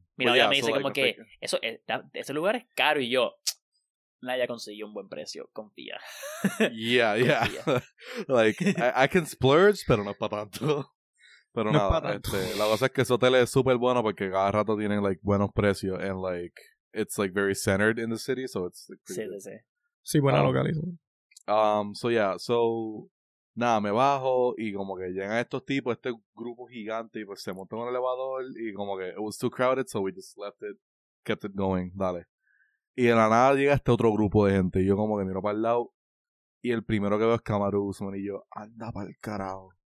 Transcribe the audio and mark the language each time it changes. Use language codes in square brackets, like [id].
[es] Mira, ya me dice como que eso, ese lugar es caro y yo... Nah, ya consiguió un buen precio. Confía. [en] Yeah, confía. Yeah. Like, I can splurge, [es] pero no es para tanto. Pero no nada, la cosa es que ese hotel es súper bueno porque cada rato tienen, like, buenos precios. [en] And, like, it's, like, very centered in the city, so it's... Like, [es] sí, sí, sí. Sí, buena localización. [en] So, yeah, so... [es] Nada, me bajo y como que llegan estos tipos, este grupo gigante, y pues se montó en el elevador y como que [en] it was too crowded, so we just left it, kept it going, [es] dale. Y de la nada llega este otro grupo de gente y yo como que miro para el lado y el primero que veo es Kamaru Usman y yo, anda para el carajo.